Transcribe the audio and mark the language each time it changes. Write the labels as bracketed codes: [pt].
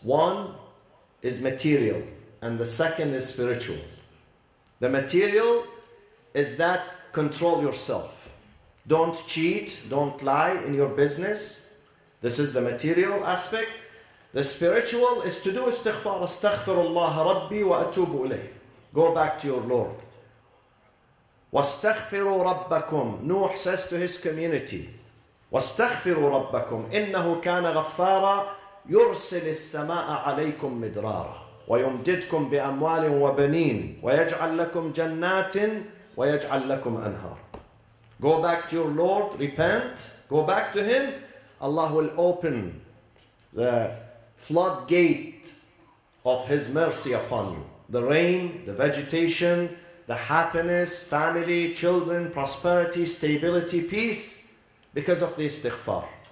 [en] One is material, and the second is spiritual. The material is that control yourself. Don't cheat, don't lie in your business. This is the material aspect. The spiritual is to do istighfar. [ar] استغفر الله ربي وأتوب إليه. [en] Go back to your Lord. [ar] واستغفروا ربكم. [en] Nuh says to his community, [ar] واستغفروا ربكم إنه كان غفارا يرسل السماء عليكم مدرارا ويمددكم بأموال وبنين ويجعل لكم جنات ويجعل لكم أنهار. [en] Go back to your Lord, repent, go back to Him. Allah will open the floodgate of His mercy upon you. The rain, the vegetation, the happiness, family, children, prosperity, stability, peace, because of the istighfar.